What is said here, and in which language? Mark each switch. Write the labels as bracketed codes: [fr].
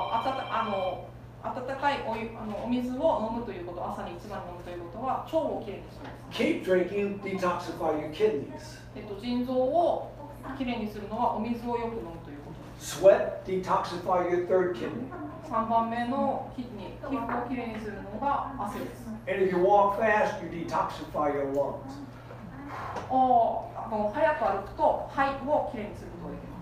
[ja] 温かい お水を飲むということ、朝に一番飲むということは腸をきれいにします。 [en] Keep drinking, detoxify your kidneys. [ja] 腎臓をきれいにするのはお水をよく飲むということです。 [en] Sweat, detoxify your third kidney. [ja] 3番目のキッニー、皮膚をきれいにするのが汗です。 [en] And if you walk fast, you detoxify your lungs. [ja] 早く歩くと肺をきれいにすることができます。